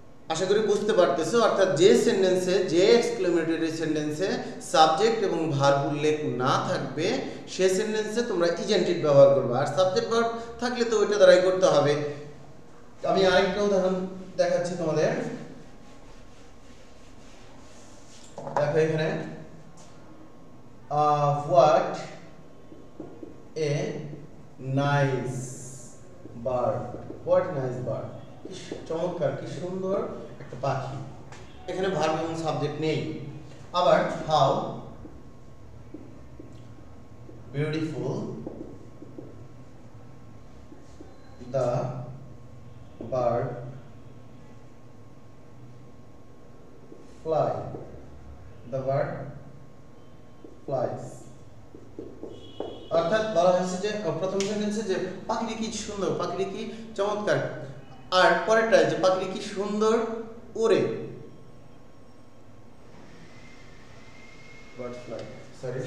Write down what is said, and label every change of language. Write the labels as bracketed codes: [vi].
[bn] আশা করি বুঝতে পারতেছো অর্থাৎ যে সেন্টেন্সে যে এক্সক্লেমেটরি সেন্টেন্সে সাবজেক্ট এবং ভার্ব উল্লেখ না থাকবে সে সেন্টেন্সে তোমরা ইজেন্ট ইট ব্যবহার করবে আর সাবজেক্ট ভার্ব থাকলে তো ওইটা দ্বারাই করতে হবে আমি আরেকটা উদাহরণ দেখাচ্ছি তোমাদের দেখো এখানে [en] Of what a nice bird. What a nice bird. [bn] কি চমৎকার কি সুন্দর একটা পাখি। এখানে verb এবং subject নেই। আবার [en] how beautiful the bird fly. The bird flies. [bn] অর্থাৎ বলা হয়েছে যে প্রথম সেন্টেন্সে যে পাখিটি কি সুন্দর, পাখিটি কি চমৎকার, আর পরেরটা যে পাখিটি কি সুন্দর উড়ে। [en] bird fly sorry